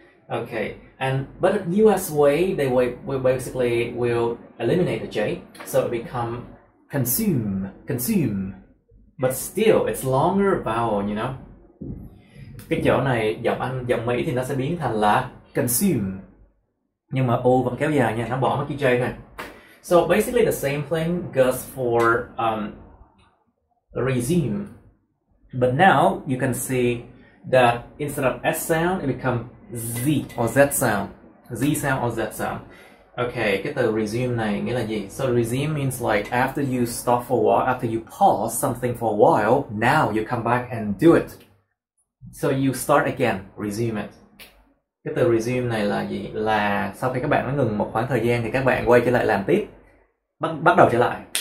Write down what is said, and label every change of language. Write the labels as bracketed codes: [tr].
[en] Okay, and but US way they will basically will eliminate the J, so it become consume, but still it's longer vowel, you know. [vi] Cái chỗ này giọng Anh giọng Mỹ thì nó sẽ biến thành là consume. Nhưng mà U vẫn kéo dài nha, nó bỏ mất cái J thôi. [en] So basically the same thing goes for resume. But now you can see that instead of S sound, it becomes Z or Z sound. Z sound or Z sound. [vi] Okay, cái từ resume này nghĩa là gì? [en] So resume means like after you stop for a while, after you pause something for a while, now you come back and do it. So you start again, resume it. [vi] Cái từ resume này là gì? Là sau khi các bạn đã ngừng một khoảng thời gian thì các bạn quay trở lại làm tiếp, bắt đầu trở lại.